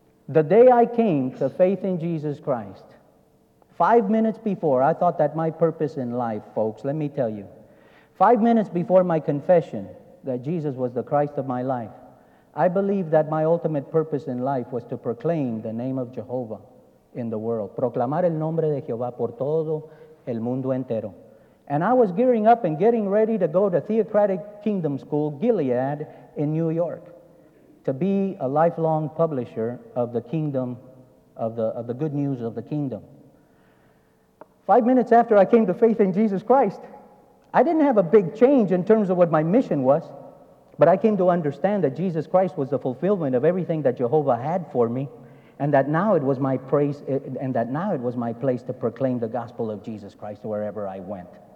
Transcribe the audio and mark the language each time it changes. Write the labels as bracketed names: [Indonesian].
[English] The day I came to faith in Jesus Christ, 5 minutes before, I thought that my purpose in life, folks, let me tell you, 5 minutes before my confession that Jesus was the Christ of my life, I believed that my ultimate purpose in life was to proclaim the name of Jehovah in the world. [Spanish] Proclamar el nombre de Jehová por todo el mundo entero. [English] And I was gearing up and getting ready to go to Theocratic Kingdom School, Gilead, in New York, to be a lifelong publisher of the kingdom, of the good news of the kingdom. 5 minutes after I came to faith in Jesus Christ, I didn't have a big change in terms of what my mission was, but I came to understand that Jesus Christ was the fulfillment of everything that Jehovah had for me, and that now it was my praise, and that now it was my place to proclaim the gospel of Jesus Christ wherever I went.